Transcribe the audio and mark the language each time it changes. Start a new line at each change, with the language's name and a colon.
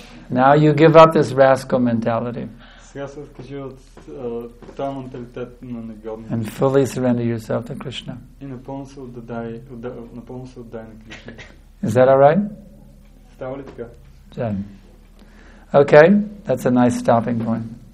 English: Now you give up this rascal mentality.
Bulgarian: Сега се откажи от тази менталитет на негодни.
English: And fully surrender yourself to Krishna.
Bulgarian: И напълно се отдай на Кришна.
English: Is that all right?
Bulgarian: Става ли така?
English: Yeah. Okay, that's a nice stopping point.